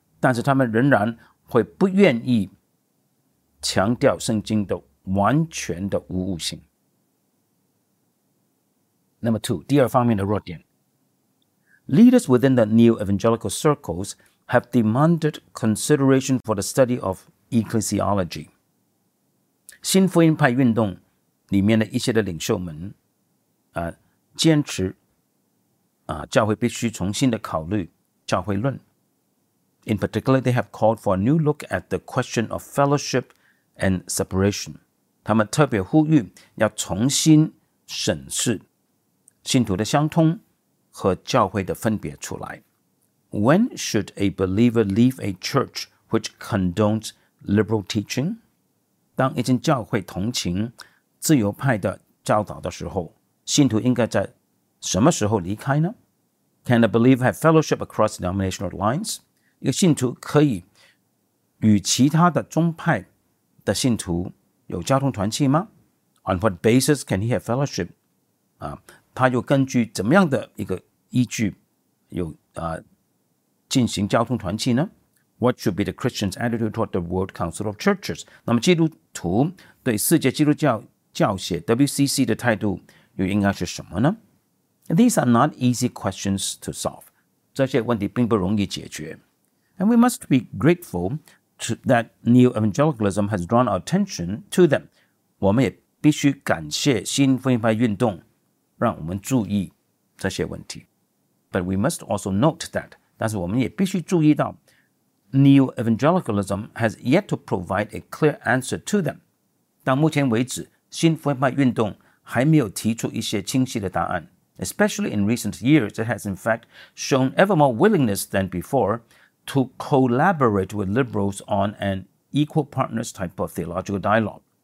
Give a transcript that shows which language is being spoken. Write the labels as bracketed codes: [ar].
[zh] 但是他们仍然会不愿意强调圣经的完全的无误性。 [en] Number two, [zh] 第二方面的弱点。 [en] Leaders within the new evangelical circles have demanded consideration for the study of ecclesiology. [zh] 新福音派运动里面的一些的领袖们坚持教会必须重新的考虑教会论。 [en] In particular, they have called for a new look at the question of fellowship and separation. [zh] 他们特别呼吁要重新审视信徒的相通和教会的分别出来。 [en] When should a believer leave a church which condones liberal teaching? [zh] 当一间教会同情自由派的教导的时候，信徒应该在什么时候离开呢？ [en] Can a believer have fellowship across denominational lines? [zh] 一个信徒可以与其他的宗派的信徒有交通团契吗？ [en] On what basis can he have fellowship? [zh] 他又根据怎么样的一个依据有进行交通团契呢？ [en] What should be the Christian's attitude toward the World Council of Churches? [zh] 那么基督徒对世界基督教教协 WCC 的态度又应该是什么呢？ [en] These are not easy questions to solve. [zh] 这些问题并不容易解决。 [en] And we must be grateful that neo-evangelicalism has drawn our attention to them. [zh] 我们也必须感谢新福音派运动让我们注意这些问题。 [en] But we must also note that, [zh] 但是我们也必须注意到 [en] neo-evangelicalism has yet to provide a clear answer to them. [zh] 到目前为止新福音派运动还没有提出一些清晰的答案。 [en] Especially in recent years, it has in fact shown ever more willingness than beforeTo collaborate with liberals on an equal partners type of theological dialogue.